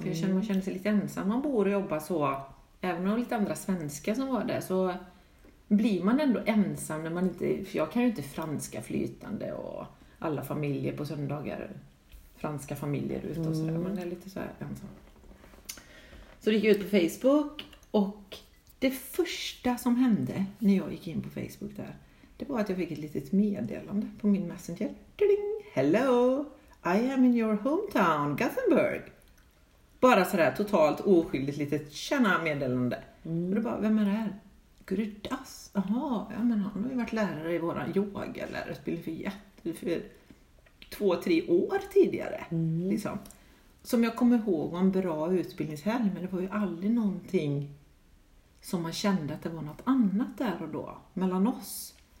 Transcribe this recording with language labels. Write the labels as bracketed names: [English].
[Swedish] För man känner sig lite ensam, man bor och jobbar så, även om lite andra svenskar som var där, så blir man ändå ensam när man inte, för jag kan ju inte franska flytande och alla familjer på söndagar, franska familjer ute och sådär, man är lite så här ensam. Så gick jag ut på Facebook och det första som hände när jag gick in på Facebook där, det var att jag fick ett litet meddelande på min messenger. [English] Ding, hello, I am in your hometown, Gothenburg. [Swedish] Bara så här totalt oskyldigt litet tjena meddelande. Och då bara, vem är det här? Gurdas, aha, ja, men han har ju varit lärare i våran yoga, lärarutbildning för 2-3 år tidigare, liksom. Som jag kommer ihåg var en bra utbildningshelg, men det var ju aldrig någonting som man kände att det var något annat där och då, mellan oss.